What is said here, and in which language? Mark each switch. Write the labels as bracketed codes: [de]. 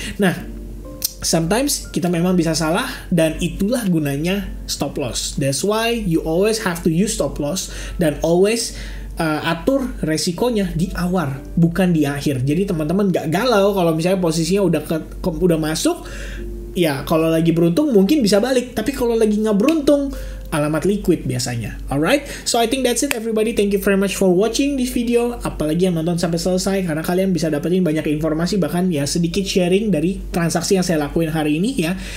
[id] Nah, sometimes kita memang bisa salah dan itulah gunanya stop loss. [en] That's why you always have to use stop loss [id] dan always atur resikonya di awal, bukan di akhir. Jadi teman-teman gak galau kalau misalnya posisinya udah masuk, ya kalau lagi beruntung mungkin bisa balik. Tapi kalau lagi gak beruntung, alamat liquid biasanya. [en] Alright, so I think that's it everybody. Thank you very much for watching this video. [id] Apalagi yang nonton sampai selesai, karena kalian bisa dapetin banyak informasi, bahkan ya sedikit sharing dari transaksi yang saya lakuin hari ini ya.